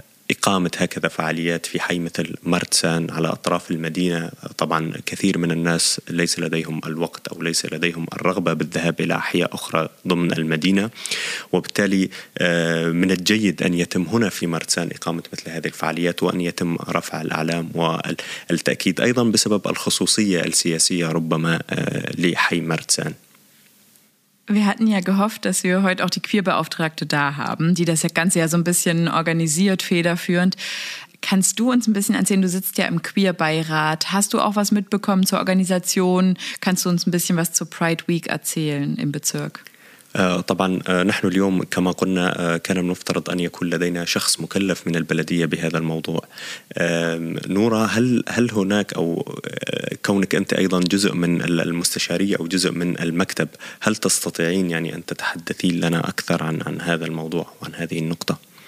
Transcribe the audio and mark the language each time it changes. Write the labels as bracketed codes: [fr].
[ar] إقامة هكذا فعاليات في حي مثل مرتسان على أطراف المدينة طبعا كثير من الناس ليس لديهم الوقت أو ليس لديهم الرغبة بالذهاب إلى أحياء أخرى ضمن المدينة وبالتالي من الجيد أن يتم هنا في مرتسان إقامة مثل هذه الفعاليات وأن يتم رفع الأعلام والتأكيد أيضا بسبب الخصوصية السياسية ربما لحي مرتسان. [de] Wir hatten ja gehofft, dass wir heute auch die Queerbeauftragte da haben, die das Ganze ja so ein bisschen organisiert, federführend. Kannst du uns ein bisschen erzählen, du sitzt ja im Queerbeirat, hast du auch was mitbekommen zur Organisation? Kannst du uns ein bisschen was zur Pride Week erzählen im Bezirk? [ar] طبعا نحن اليوم كما قلنا كان بنفترض أن يكون لدينا شخص مكلف من البلدية بهذا الموضوع نورا هل هناك أو كونك أنت أيضا جزء من المستشارية أو جزء من المكتب هل تستطيعين يعني أن تتحدثين لنا أكثر عن هذا الموضوع وعن هذه النقطة؟